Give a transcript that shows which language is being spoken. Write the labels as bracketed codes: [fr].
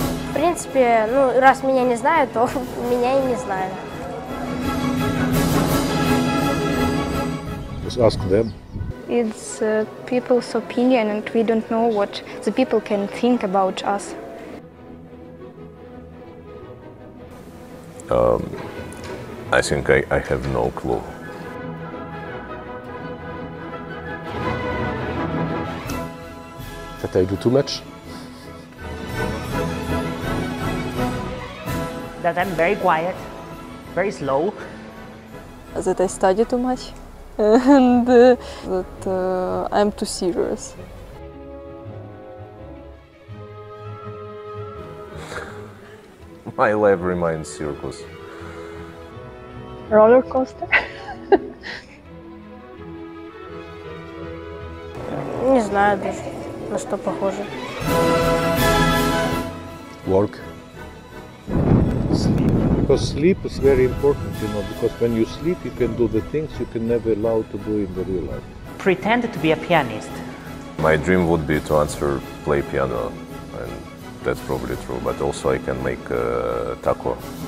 [ru] В принципе, ну, раз меня не знают, то меня и не знают. [en] Just ask them. It's people's opinion and we don't know what the people can think about us. I think I have no clue. That I do too much? That I'm very quiet, very slow. That I study too much, and that I'm too serious. My life reminds circus. Roller coaster? [ru] Не знаю даже, на что похоже. [en] Work. Because sleep is very important, you know, because when you sleep, you can do the things you can never allow to do in the real life. Pretend to be a pianist. My dream would be to answer, play piano, and that's probably true, but also I can make taco.